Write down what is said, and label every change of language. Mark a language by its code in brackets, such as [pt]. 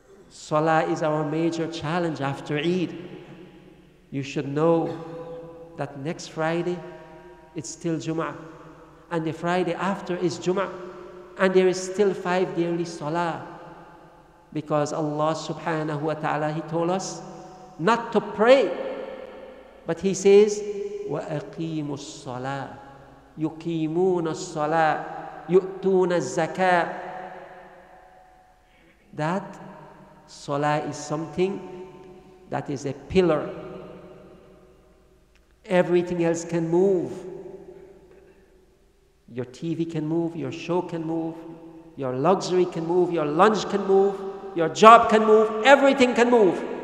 [en] Salah is our major challenge after Eid. You should know that next Friday, it's still Jummah. And the Friday after is Jummah. And there is still 5 daily Salah. Because Allah subhanahu wa ta'ala, He told us not to pray. But He says, [ar] وَأَقِيمُوا الصَّلَاةَ يُقِيمُونَ الصَّلَاةَ يُؤْتُونَ الزَّكَاةَ. [en] That salah is something that is a pillar. Everything else can move. Your TV can move, your show can move, your luxury can move, your lunch can move, your job can move, everything can move.